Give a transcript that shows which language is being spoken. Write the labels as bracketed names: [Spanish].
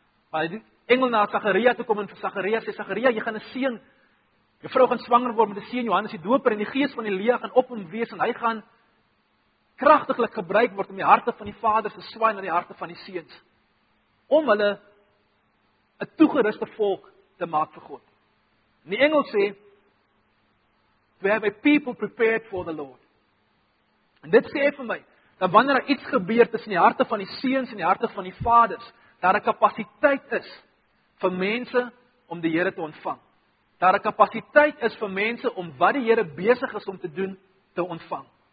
[Afrikaans] Maar die engel na Sagaria toe kom en vir Sagaria sê, Sagaria, jy gaan 'n seun, jou vrou gaan swanger word met 'n seun, Johannes die Doper, en die gees van Elia gaan op hom wees en hy gaan kragtiglik gebruik word om die harte van die vaders te swaai na die harte van die seuns om hulle 'n toegeruste volk te maak vir God. En die engel sê, [English] we have a people prepared for the Lord. [Afrikaans] En dit sê vir my dat wanneer daar iets gebeur tussen die harte van die seuns en die harte van die vaders, daar 'n kapasiteit is vir mense om die Here te ontvang. Daar 'n kapasiteit is vir mense om wat die Here besig is om te doen, te ontvang.